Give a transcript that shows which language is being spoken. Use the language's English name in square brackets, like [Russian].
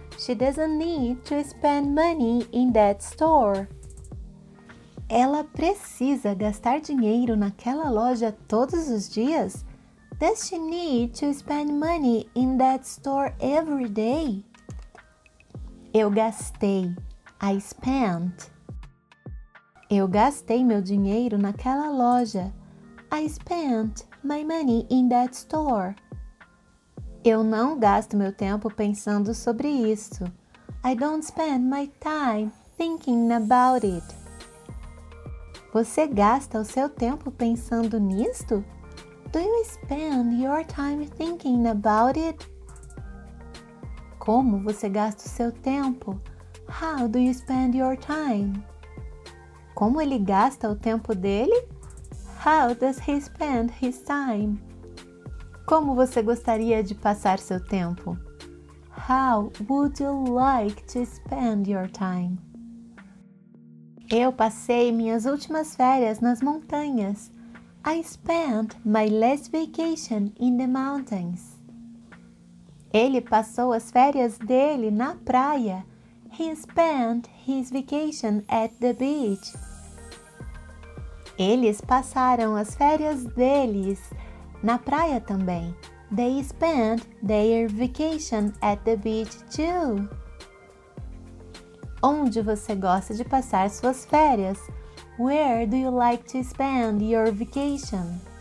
[English] She doesn't need to spend money in that store. [Portuguese] Ela precisa gastar dinheiro naquela loja todos os dias? [English] Does she need to spend money in that store every day? [Portuguese] Eu gastei. [English] I spent. [Portuguese] Eu gastei meu dinheiro naquela loja. [English] I spent my money in that store. [Portuguese] Eu não gasto meu tempo pensando sobre isso. [English] I don't spend my time thinking about it. [Portuguese] Você gasta o seu tempo pensando nisto? [English] Do you spend your time thinking about it? [Portuguese] Como você gasta o seu tempo? [English] How do you spend your time? [Portuguese] Como ele gasta o tempo dele? [English] How does he spend his time? [Portuguese] Como você gostaria de passar seu tempo? [English] How would you like to spend your time? [Portuguese] Eu passei minhas últimas férias nas montanhas. [English] I spent my last vacation in the mountains. [Portuguese] Ele passou as férias dele na praia. [English] He spent his vacation at the beach. [Portuguese] Eles passaram as férias deles na praia também. [English] They spent their vacation at the beach too. [Portuguese] Onde você gosta de passar suas férias? [English] Where do you like to spend your vacation?